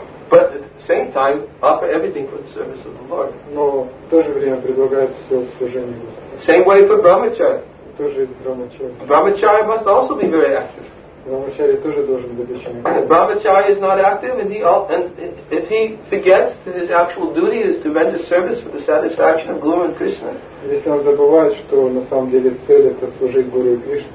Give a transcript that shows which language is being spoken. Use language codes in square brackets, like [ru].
[en] But at the same time, offer everything for the service of the Lord. [ru] Но в то же время предлагает все служение Господу. [en] Same way for Brahmacharya. [ru] Тоже Brahmacharya. [en] Brahmacharya must also be very active. [ru] Brahmacharya тоже должен быть очень активным. [en] Brahmacharya is not active, and if he forgets that his actual duty is to render service for the satisfaction of Guru and Krishna. [ru] Если он забывает, что на самом деле цель это служить Гуру и Кришне.